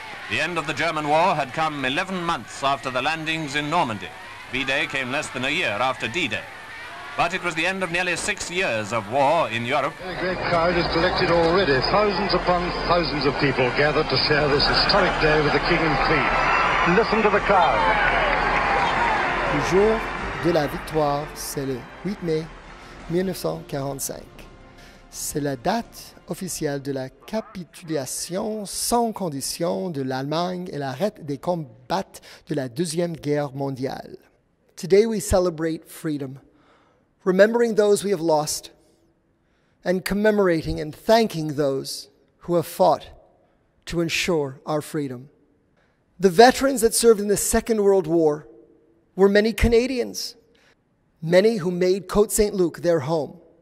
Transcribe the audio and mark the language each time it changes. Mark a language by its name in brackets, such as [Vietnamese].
[English] The end of the German war had come 11 months after the landings in Normandy. V-Day came less than a year after D-Day. But it was the end of nearly 6 years of war in Europe. A great crowd has collected already. Thousands upon thousands of people gathered to share this historic day with the King and Queen. Listen to the crowd. [French] Le jour de la victoire, c'est le 8 mai 1945. C'est la date officielle de la capitulation sans condition de l'Allemagne et l'arrêt des combats de la Deuxième Guerre mondiale. [English] Today we celebrate freedom. remembering those we have lost, and commemorating and thanking those who have fought to ensure our freedom. The veterans that served in the Second World War were many Canadians, many who made Côte Saint-Luc their home.